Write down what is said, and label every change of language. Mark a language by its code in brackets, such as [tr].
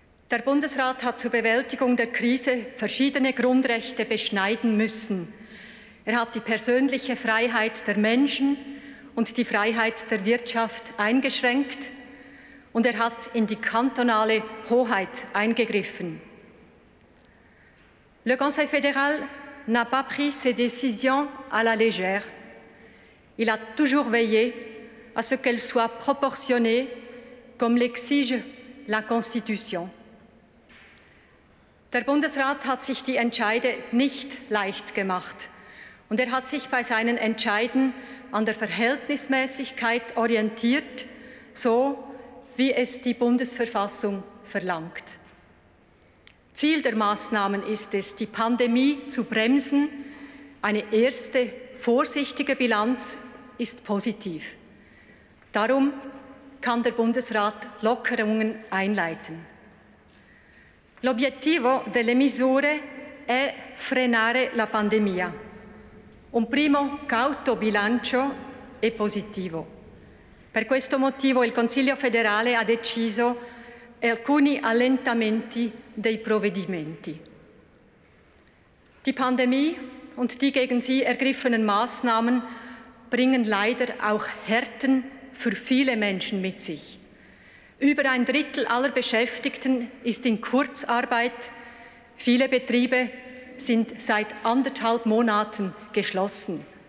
[de] Der Bundesrat hat zur Bewältigung der Krise verschiedene Grundrechte beschneiden müssen. Er hat die persönliche Freiheit der Menschen und die Freiheit der Wirtschaft eingeschränkt und er hat in die kantonale Hoheit eingegriffen. [fr] Le Conseil fédéral n'a pas pris ses décisions à la légère. Il a toujours veillé à ce qu'elles soient proportionnées, comme l'exige la Constitution. [de] Der Bundesrat hat sich die Entscheide nicht leicht gemacht und er hat sich bei seinen Entscheiden an der Verhältnismäßigkeit orientiert, so wie es die Bundesverfassung verlangt. Ziel der Maßnahmen ist es, die Pandemie zu bremsen. Eine erste vorsichtige Bilanz ist positiv. Darum kann der Bundesrat Lockerungen einleiten. [it] L'obiettivo delle misure è frenare la pandemia. Un primo cauto bilancio è positivo. Per questo motivo il Consiglio federale ha deciso alcuni allentamenti dei provvedimenti. [de] Die Pandemie und die gegen sie ergriffenen Maßnahmen bringen leider auch Härten für viele Menschen mit sich. Über ein Drittel aller Beschäftigten ist in Kurzarbeit. Viele Betriebe sind seit anderthalb Monaten geschlossen.